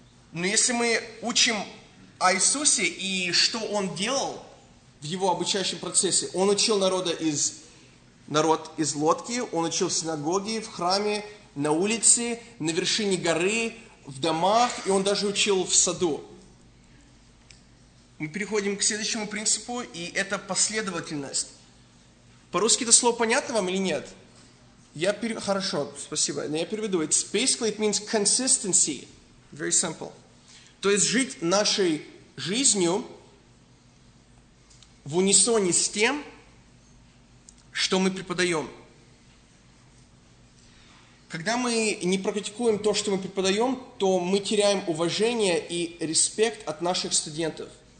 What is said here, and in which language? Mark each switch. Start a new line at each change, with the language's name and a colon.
Russian: Но если мы учим о Иисусе и что Он делал в Его обучающем процессе, Он учил народ из лодки, Он учил в синагоге, в храме, на улице, на вершине горы, в домах, и Он даже учил в саду. Мы переходим к следующему принципу, и это последовательность. По-русски это слово понятно вам или нет? Хорошо, спасибо, но я переведу.
English: It's basically, it means consistency. Very simple.
Russian: То есть жить нашей жизнью в унисоне с тем, что мы преподаем. Когда мы не практикуем то, что мы преподаем, то мы теряем уважение и респект от наших студентов.